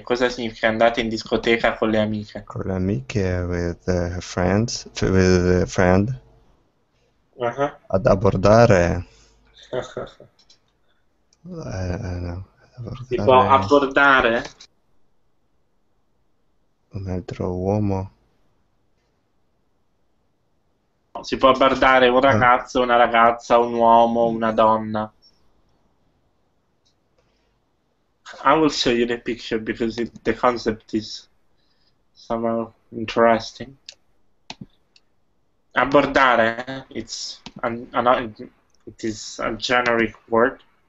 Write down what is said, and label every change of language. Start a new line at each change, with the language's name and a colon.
Italian: Cosa significa andata in discoteca con le amiche? Con le amiche,
English: with friends, with a friend. Uh-huh.
Italian: Ad abordare. Si può abordare un altro uomo. Si può abbordare un ragazzo, una ragazza, un uomo, una donna.
English: I will show you the picture because the concept is somehow interesting. Abordare, it is a generic word.